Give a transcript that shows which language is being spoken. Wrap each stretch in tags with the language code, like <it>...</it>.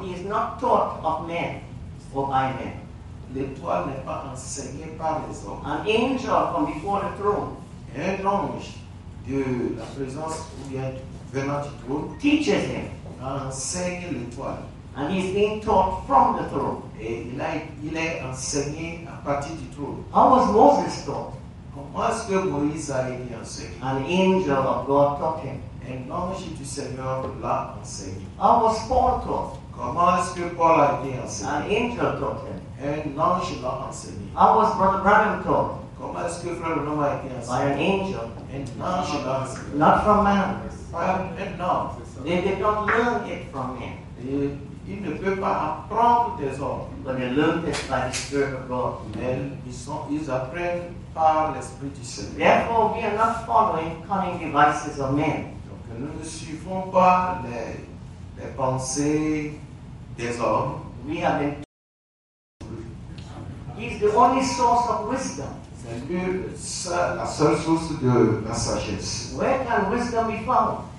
<en>he is not taught of men or by men.</en> <fr>L'étoile n'est pas enseignée par les hommes.</fr> <en>An angel from before the throne.</en> <fr>Un ange de la présence ou bien venant du trône</fr> <en>teaches him.</en> <fr>Enseigne l'étoile.</fr> <en>And he is being taught from the throne.</en> <fr>Et il est enseigné à partir du trône.</fr> <en>How was Moses taught?</en> <fr>Comment est-ce que Moïse a été enseigné?</fr> <en>An angel of God taught him.</en> <fr>Un ange du Seigneur l'a enseigné.</fr> <en>How was Paul taught?</en> <fr>Comment est-ce que Paul a été enseigné?</fr> <en>An angel taught him.</en> <fr>Un ange l'a enseigné.</fr> <en>How was Brother Branham taught?</en> <fr>Comment est-ce que Frère Branham a été enseigné?</fr> <en>By an angel.</en> <fr>Un ange l'a enseigné.</fr> <en>Not from man.</en> <fr>Non.</fr> <en>They did not learn it from man.</en> <fr>Il ne peut pas apprendre des hommes.</fr> <en>But they learned it by the Spirit of God.</en> <fr>Ils apprennent par l'Esprit du Seigneur.</fr> <en>Therefore, we are not following cunning devices of men.</en> <fr>Donc, nous ne suivons pas les pensées des hommes.</fr> <en>We have been taught. He is the only source of wisdom.</en> <fr>C'est lui la seule source de la sagesse.</fr> <en>Where can wisdom be found?</en>